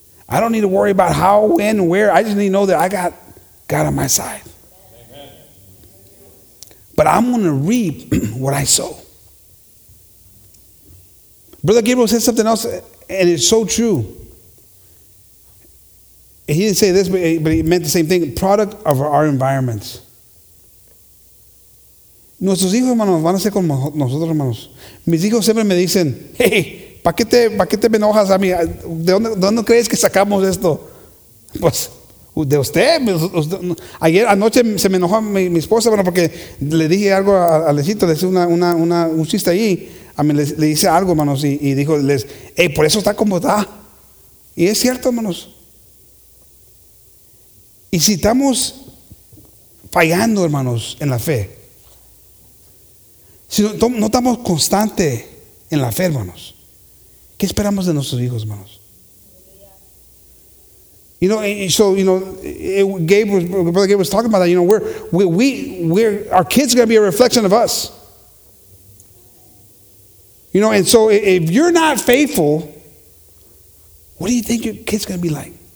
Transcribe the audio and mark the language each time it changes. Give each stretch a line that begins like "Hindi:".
English: I don't need to worry about how, when, where. I just need to know that I got God on my side. Amen. But I'm going to reap what I sow. Brother Gabriel said something else, and it's so true. He didn't say this, but he meant the same thing. Product of our environments.
Spanish: Nuestros hijos, hermanos, van a ser como nosotros, hermanos. Mis hijos siempre me dicen, hey, ¿Para qué te me enojas a mí? ¿De dónde crees que sacamos esto? Pues de usted. Ayer anoche se me enojó mi esposa, bueno, porque le dije algo a Alecito, le hice un chiste ahí. A mí le hice algo, hermanos, y dijo, hey, por eso está como está. Y es cierto, hermanos. Y si estamos fallando, hermanos, en la fe, si no estamos constante en la fe, hermanos, ¿qué esperamos de nuestros hijos, hermanos?
English: You know, so you know, Brother Gabe was talking about that. You know, we're our kids are going to be a reflection of us. You know, and so if you're not faithful, what do you think your kids going to be like?